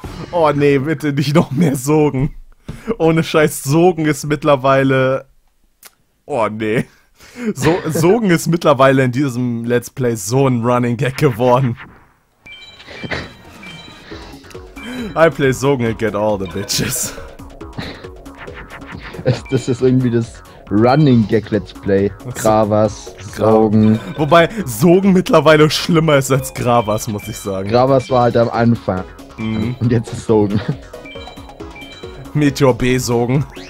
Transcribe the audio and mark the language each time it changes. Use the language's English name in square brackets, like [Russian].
[German] Oh nee, bitte nicht noch mehr Sogen! Ohne Scheiß, Sogen ist mittlerweile... Oh nee. Sogen ist mittlerweile in diesem Let's Play so ein Running Gag geworden. [English] I play Sogen and get all the bitches. [German] Das ist irgendwie das Running Gag Let's Play. Gravas, Sogen. Wobei Sogen mittlerweile schlimmer ist als Gravas, muss ich sagen. Gravas war halt am Anfang. Mhm. Und jetzt ist Sogen. Meteor B Sogen.